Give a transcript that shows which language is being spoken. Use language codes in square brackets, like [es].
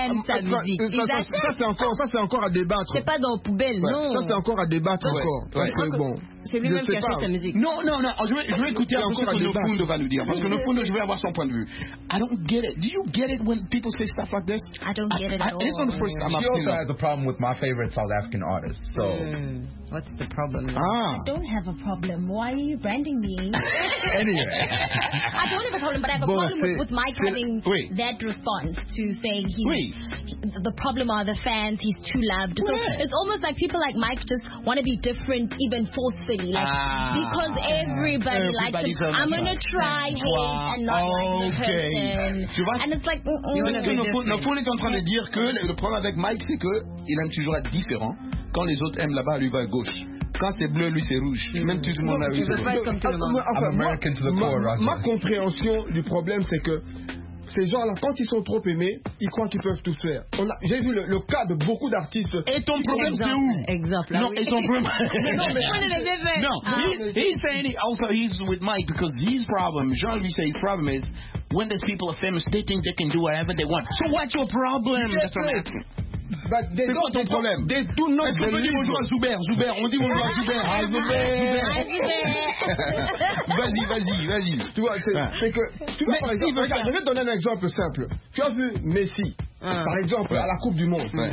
[en] I was thinking it was, but you said it. [fr] C'est pas dans la poubelle, ouais. Non. Ça, c'est encore à débattre, ouais. Encore. Ouais. Donc, bon. C'est lui-même qui a fait sa musique. Non. Je vais écouter un peu ce que Nofundo va nous dire. Parce que Nofundo, je vais avoir son point de vue. [en] I don't get it. Do you get it when people say stuff like this? I don't get it at all. Even the first time I've seen it. She also has a problem with my favorite South African artist. So. What's the problem? I don't have a problem. Why are you branding me? Anyway. I don't have a problem, but I have a problem with Mike having that response to saying the problem are the fans, he's too loved. So it's almost like people like Mike just want to be different, even forcefully. Because everybody likes him. I'm going to try him and not like the person. And it's like, [fr] Nofundo est en train de dire que le problème avec Mike, c'est qu'il aime toujours être différent. Quand les autres aiment là-bas, lui va à gauche. Quand c'est bleu, lui c'est rouge. Même tout le monde a vu. Ma compréhension du problème, c'est que ces gens-là, quand ils sont trop aimés, ils croient qu'ils peuvent tout faire. J'ai vu le cas de beaucoup d'artistes. Et ton problème, c'est où? Exemple. Non, et ton problème. Non, [en] he's saying it. Also, he's with Mike because his problem, Jean-Louis says his problem is when these people are famous, they think they can do whatever they want. So what's your problem? But [fr] c'est quoi ton problème? [en] They do not. [fr] Est-ce qu'on peut dire bonjour à Zuber? On dit bonjour à Zuber. Vas-y. Tu vois, c'est que. Tu vois, par exemple, je vais te donner un exemple simple. Tu as vu Messi, par exemple, à la Coupe du Monde.